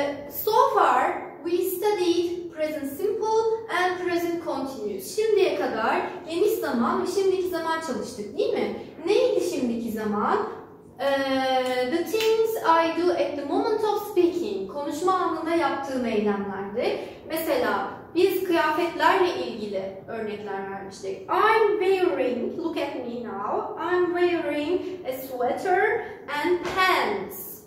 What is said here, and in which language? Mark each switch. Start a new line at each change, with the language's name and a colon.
English: So far we studied present simple and present continuous.
Turkish: Şimdiye kadar geniş zaman ve şimdiki zaman çalıştık, değil mi? Neydi şimdiki zaman?
English: The things I do at the moment of speaking.
Turkish: Konuşma anında yaptığım eylemlerdi. Mesela biz kıyafetlerle ilgili örnekler vermiştik.
English: I'm wearing, look at me now, I'm wearing a sweater and pants.